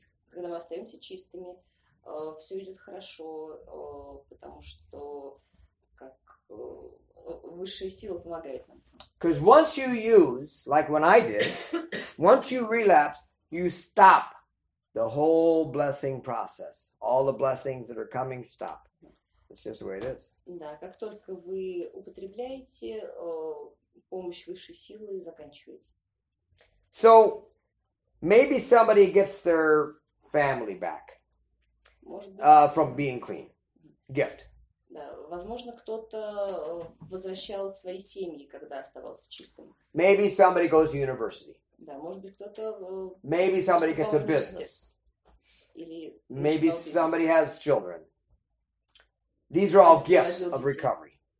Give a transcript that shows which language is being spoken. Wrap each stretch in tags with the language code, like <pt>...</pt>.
<ru>Когда мы остаемся чистыми, все идет хорошо, потому что как высшая сила помогает нам.</ru> <en>Because once you use, like when I did, once you relapse, you stop the whole blessing process. All the blessings that are coming stop. It's just the way it is.</en> <ru>Да, как только вы употребляете, помощь высшей силы заканчивается.</ru> <en>So, maybe somebody gets their family back from being clean. Gift.</en> <ru>Да, возможно, кто-то возвращал свои семьи, когда оставался чистым.</ru> <en>Maybe somebody goes to university.</en> <ru>Да, может быть, кто-то...</ru> <en>Maybe somebody gets a business.</en> <ru>Или</ru> <en>maybe somebody has children. These are all gifts of recovery.</en>